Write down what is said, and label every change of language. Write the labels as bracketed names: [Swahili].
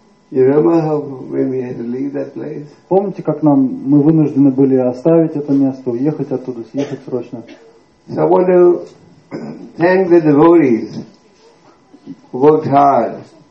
[English] You remember how we had to leave that place? [Russian] Помните, как нам, мы вынуждены были оставить это место, уехать оттуда, съехать срочно? [English] So I want to thank the devotees who worked hard.